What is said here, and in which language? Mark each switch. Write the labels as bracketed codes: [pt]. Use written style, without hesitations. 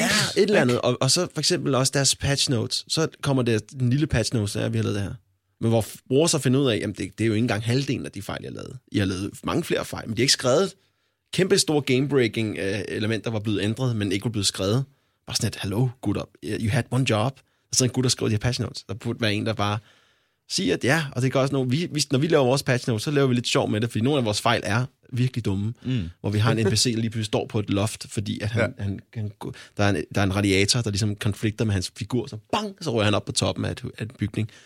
[da] Ja, et eller andet, og så for eksempel også deres patch notes, så kommer der den lille patch notes, der vi har lavet det her. Men hvor bruger så finde ud af, jamen det er jo ikke engang halvdelen af de fejl, jeg har lavet. I har lavet mange flere fejl, men de har ikke skrevet kæmpe store game-breaking elementer, var blevet ændret, men ikke var blevet skrevet. Bare sådan et, hallo gutter, [en] you had one job. [da] Og sådan en gutter skrev de her patch notes. Der burde være en, der bare siger, at ja, og det gør også noget. Når vi laver vores patch notes, så laver vi lidt sjov med det, fordi nogle af vores fejl er virkelig dumme. Mm. Hvor vi har en NPC, der lige pludselig står på et loft, fordi at der er en radiator, der ligesom konflikter med hans figur, så bang, så rører han op på toppen af en bygning.